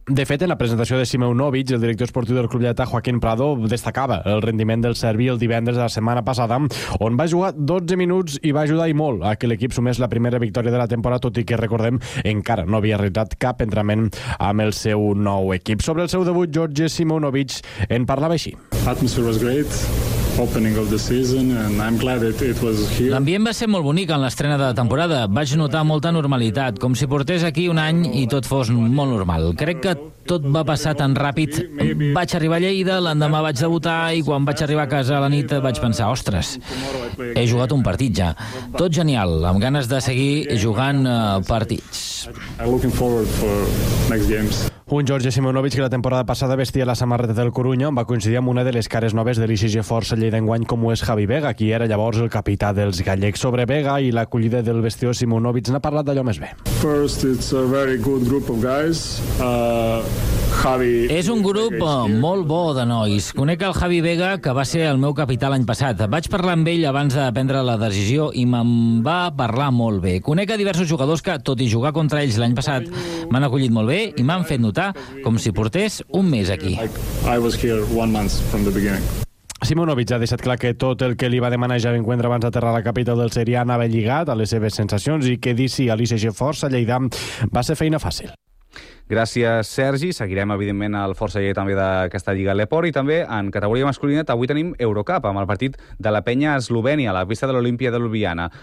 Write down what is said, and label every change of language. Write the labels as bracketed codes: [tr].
[ca] De fet, en la presentació de Simeunovic, el director esportiu del club lleidatà, Joaquín Prado, destacava el rendiment del serbi el divendres de la setmana passada, on va jugar 12 minuts i va ajudar i molt a que l'equip sumés la primera victòria de la temporada, tot i que, recordem, encara no havia realitzat cap entrenament amb el seu nou equip. Sobre el seu debut, Jorge Simeunovic en parlava així. [en] Atmosphere was great. Opening of the season and I'm glad it was here. [ca] L'ambient va ser molt bonic en l'estrena de la temporada. Vaig notar molta normalitat, com si portés aquí un any i tot fos molt normal. Crec que tot va passar tan ràpid. Vaig arribar a Lleida, l'endemà vaig debutar i quan vaig arribar a casa a la nit vaig pensar, ostres, he jugat un partit ja. Tot genial, amb ganes de seguir jugant partits. [en] I'm looking forward for next games. [ca] Un Jorge Simeunovic que la temporada passada vestia la samarreta del Corunya, on va coincidir amb una de les cares noves de l'ICG Força Lleida enguany, com ho és Javi Vega, qui era llavors el capità dels gallecs. Sobre Vega i l'acollida del vestidor, Simeunovic n'ha parlat d'allò més bé. First, it's a very good group of guys. És un grup molt bo de nois. Conec el Javi Vega, que va ser el meu capità l'any passat. Vaig parlar amb ell abans de prendre la decisió i me'n va parlar molt bé. Conec a diversos jugadors que, tot i jugar contra ells l'any passat, m'han acollit molt bé i m'han fet notar com si portés un mes aquí. [en] I was here one month from the beginning. [ca] Simeunovic ha deixat clar que tot el que li va demanar Javi Encuentra abans d'aterrar a la capital del Serià anava lligat a les seves sensacions i que dir sí a l'ICG Força Lleida va ser feina fàcil. Gràcies, Sergi. Seguirem, evidentment, el Força Lleida també d'aquesta Lliga Leport i també en categoria masculina. Avui tenim Eurocup amb el partit de la Penya Eslovènia a la pista de l'Olimpia de Ljubljana.